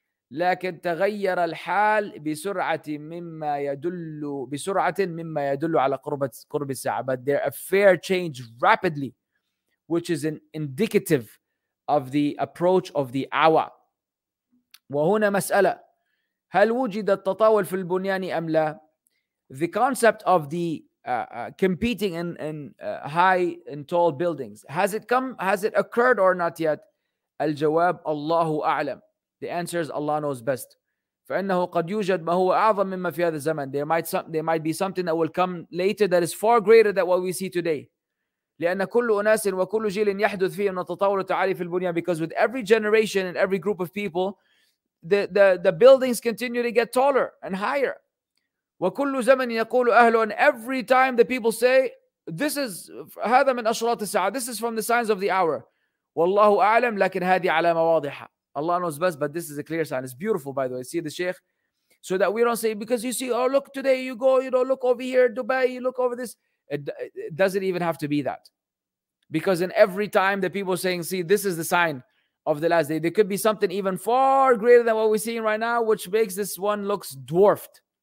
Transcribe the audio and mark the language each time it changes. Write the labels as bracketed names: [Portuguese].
[Arabic] لكن تغير الحال بسرعة مما يدل على قرب الساعة, [English] but their affair changed rapidly, which is an indicative of the approach of the hour. [Arabic] وهنا مسألة, هل وجد التطاول في البنيان أم لا? [English] The concept of the competing in high and tall buildings, has it occurred or not yet? [Arabic] الجواب الله أعلم. [English] The answer is Allah knows best. [Arabic] فإنه قد يوجد ما هو أعظم مما في هذا الزمن. [English] There might be something that will come later that is far greater than what we see today. [Arabic] لأن كل أناس وكل جيل يحدث فيه من التطاول التعالي في البنيان, [English] because with every generation and every group of people, the buildings continue to get taller and higher. [Arabic] وكل زمن يقول أهله, [English] and every time the people say, this is [Arabic] هذا من أشراط الساعة, [English] this is from the signs of the hour. [Arabic] والله أعلم, لكن هذه علامة واضحة. [English] Allah knows best, but this is a clear sign. It's beautiful, by the way. See the Sheikh, so that we don't say, because you see, oh look, today you go, you know, look over here, Dubai, you look over this. It doesn't even have to be that, because in every time the people saying, see, this is the sign of the last day, there could be something even far greater than what we're seeing right now, which makes this one looks dwarfed.